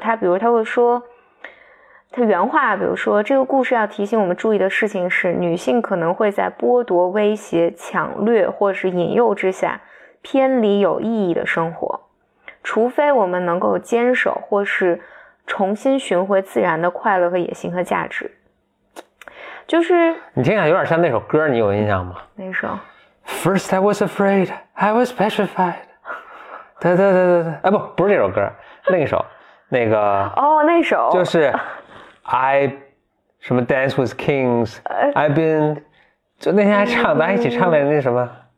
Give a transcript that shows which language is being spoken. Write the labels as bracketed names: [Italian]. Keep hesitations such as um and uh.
[Chinese] 他比如他会说，他原话，比如说这个故事要提醒我们注意的事情是，女性可能会在剥夺、威胁、抢掠或是引诱之下偏离有意义的生活，除非我们能够坚守或是。重新寻回自然的快乐和野心和价值，就是你听一下来，有点像那首歌，你有印象吗？那首。 [English] First I was afraid, I was petrified。 [Chinese] 对对对对对，哎不不是这首歌， 另一首，那个。哦、 oh,，那首。就是 I 什么 [English] dance with kings，I've been [Chinese] 就那天还唱，咱、嗯、一起唱了那什么。